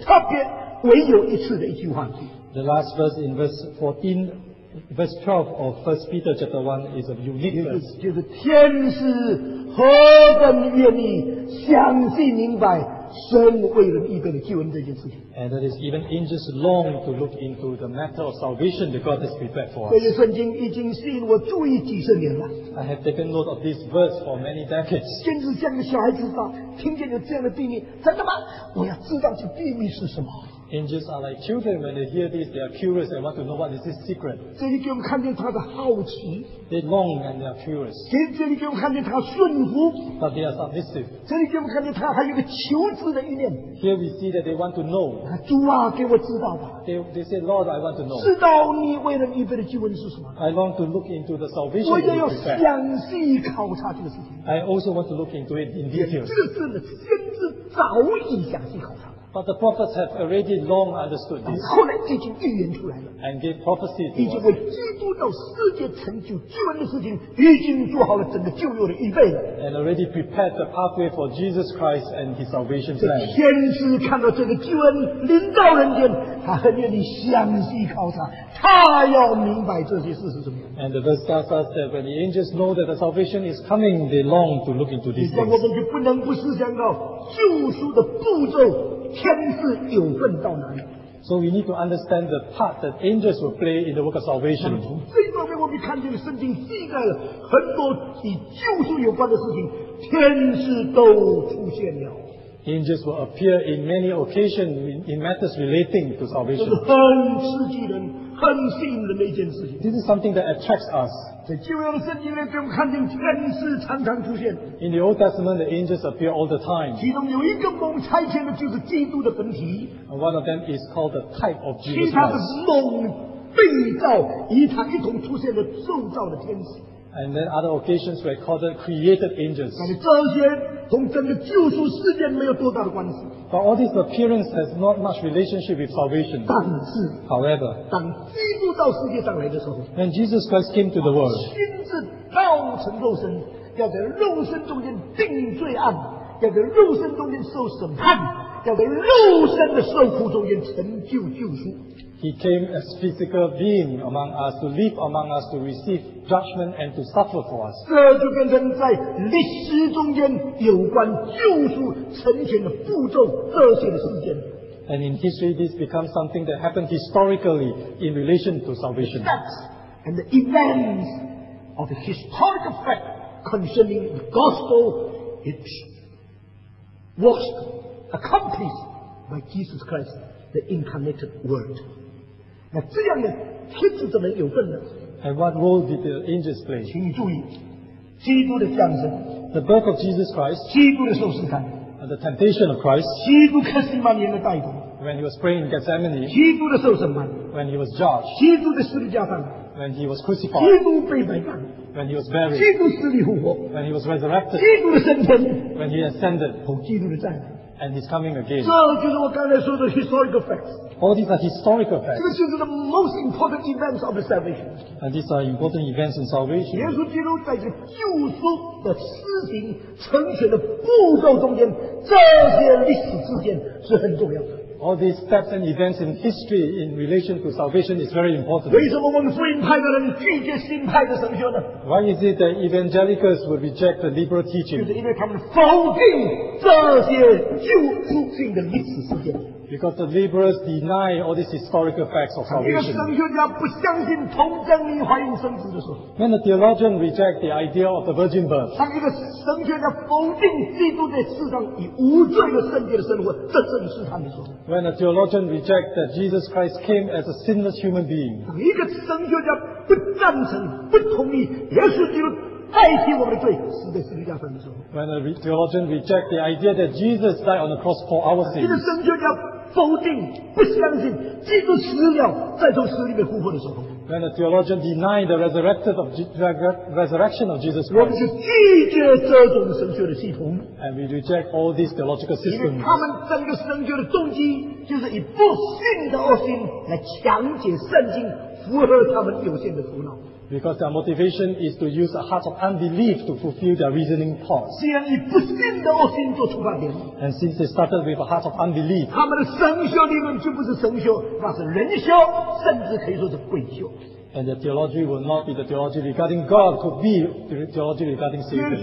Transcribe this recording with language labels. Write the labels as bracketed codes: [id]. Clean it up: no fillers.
[zh] 所以希伯来书，哎，这个彼得前书第一章第十二节最后一句话，就变成全本圣经特别唯有一次的一句话。 [en] The last verse in verse 14, verse 12 of 1 Peter chapter 1 is a unique verse. [zh] 就是天使何等愿意详细明白神为人预备的救恩这件事情。 [en] And it is even angels long to look into the matter of salvation that God has prepared for us. [zh] 这些圣经已经吸引我注意几十年了。 [en] I have taken note of this verse for many decades. [zh] 甚至像个小孩子说，听见有这样的秘密，真的吗？我要知道这秘密是什么。 [en] Angels are like children when they hear this, they are curious and want to know what is this secret. [zh] 这里给我们看见他的好奇。 [en] They long and they are curious. [zh] 这里给我们看见他顺服。 [en] But they are submissive. [zh] 这里给我们看见他还有个求知的一面。 [en] Here we see that they want to know. [zh] 主啊，给我知道吧。 [en] They say, Lord, I want to know. [zh] 知道你为人预备的救恩是什么。 [en] I long to look into the salvation. [zh] 我也要详细考察这个事情。 [en] I also want to look into it in detail. [zh] 先知早已详细考察。 [en] But the prophets have already long understood this. [zh] 后来已经预言出来了。 [en] And gave prophecy. [zh] 已经为基督到世界成就救恩的事情，已经做好了整个救恩的预备了。 [en] And already prepared the pathway for Jesus Christ and His salvation plan. [zh] 天使看到这个救恩临到人间，他很愿意详细考察，他要明白这些事是什么。 [en] And the verse tells us that when the angels know that the salvation is coming, they long to look into these things. [zh] 我们就不能不思想到救赎的步骤。天使有份到哪里？ [en] So we need to understand the part that angels will play in the work of salvation. [zh] 这方面我们看见圣经记载了很多与救赎有关的事情，天使都出现了。 [en] Angels will appear in many occasions in matters relating to salvation. [zh] 这是很刺激人、很吸引人的一件事情。 [en] This is something that attracts us. [zh] 在旧约圣经里面，我们看见天使常常出现。 [en] In the Old Testament, the angels appear all the time. [zh] 其中有一个蒙差遣的，就是基督的本体。 [en] And one of them is called the type of Jesus. [zh] 其他的蒙被造与他一同出现的受造的天使。 [en] And then other occasions were called the created angels. [zh] 但是这些同整个救赎事件没有多大的关系。 [en] But all this appearance has not much relationship with salvation. [zh] 但是 [en] ，However， [zh] 当基督到世界上来的时候 [en] ，When Jesus Christ came to the world， [zh] 亲自道成肉身，要在肉身中间定罪案，要在肉身中间受审判，要在肉身的受苦中间成就救赎。 [en] He came as physical being among us to live among us to receive judgment and to suffer for us. [zh] 这就变成在历史中间有关救赎成全的步骤这些的事件。 [en] And in history, this becomes something that happened historically in relation to salvation. The facts and the events of the historical fact concerning the gospel, it was accomplished by Jesus Christ, the incarnated Word. [zh] 那这样的天使怎么有份呢？ [en] And what role did the angels play? [zh] 请你注意，基督的降生， [en] the birth of Jesus Christ， [zh] 基督的受试探， [en] and the temptation of Christ， [zh] 基督克西马尼的逮捕， [en] when he was praying in Gethsemane， [zh] 基督的受审判， [en] when he was judged， [zh] 基督的十字架上， [en] when he was crucified， [zh] 基督被埋葬， [en] when he was buried， [zh] 基督死里复活， [en] when he was resurrected， [zh] 基督的升天， [en] when he ascended， [zh] 和基督的再来。 [en] And he's coming again. [zh] 这就是我刚才说的 [en] historical facts. All these are historical facts. [zh] 这就是 [en] the most important events of the salvation. And these are important events in salvation. [zh] 耶稣基督在这救赎的施行成全的步骤中间，这些历史事件是很重要的。 [en] All these steps and events in history in relation to salvation is very important. [zh] 为什么我们福音派的人拒绝新派的神学呢？ [en] Why is it that evangelicals will reject the liberal teaching? [zh] 就是因为他们否定这些救赎性的历史事件。 [en] Because the liberals deny all these historical facts of salvation. [zh] 神学家不相信童贞女怀孕生子的时候。 [en] When the theologian reject the idea of the virgin birth. [zh] 当一个神学家否定基督在世上以无罪的圣洁的生活，这正是他的时候。 [en] When a theologian reject that Jesus Christ came as a sinless human being. [zh] 当一个神学家不赞成、不同意耶稣基督代替我们的罪死在十字架上的时候。 [en] When a theologian reject the idea that Jesus died on the cross for our sins. [zh] 一个神学家否定、不相信基督死了再从死里面复活的时候。 [en] When a theologian denied the resurrection of Jesus Christ. [zh] 我们拒绝这种神学的系统。 [en] And we reject all these theological systems. [zh] 因为他们整个神学的动机就是以不信的恶心来强解圣经，符合他们有限的头脑。 [en] Because their motivation is to use a heart of unbelief to fulfill their reasoning thoughts. [zh] 既然以不信的恶心做出发点。 [en] And since they started with a heart of unbelief. [zh] 他们的神学理论就不是神学，那是人学，甚至可以说是鬼学。 [en] And the theology will not be the theology regarding God, could be the theology regarding Satan.